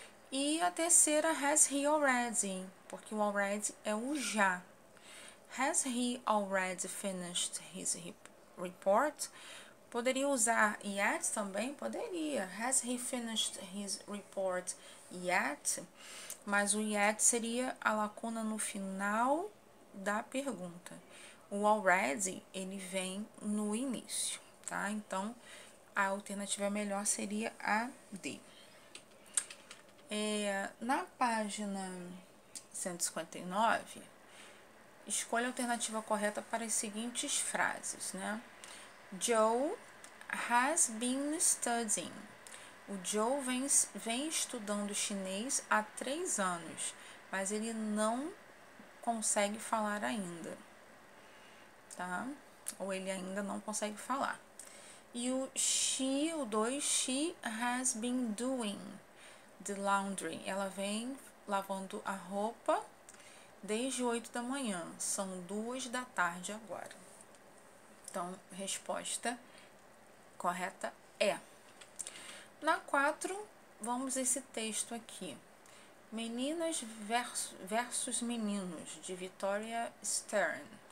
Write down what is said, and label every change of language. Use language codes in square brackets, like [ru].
[pt] E a terceira, [en] has he already? [pt] Porque o already é o já. [en] Has he already finished his report? [pt] Poderia usar yet também? Poderia. [en] Has he finished his report yet? [pt] Mas o yet seria a lacuna no final da pergunta. O already, ele vem no início, tá? Então, a alternativa melhor seria a D. Na página 159, escolha a alternativa correta para as seguintes frases, né? [en] Joe has been studying. [pt] O Joe vem estudando chinês há 3 anos, mas ele não consegue falar ainda, tá? Ou ele ainda não consegue falar. [en] E o 2, she has been doing the laundry. [pt] Ela vem lavando a roupa desde 8 da manhã. São 2 da tarde agora. Então, resposta correta é. Na 4, vamos esse texto aqui. Meninas versus meninos, de Victoria Stern.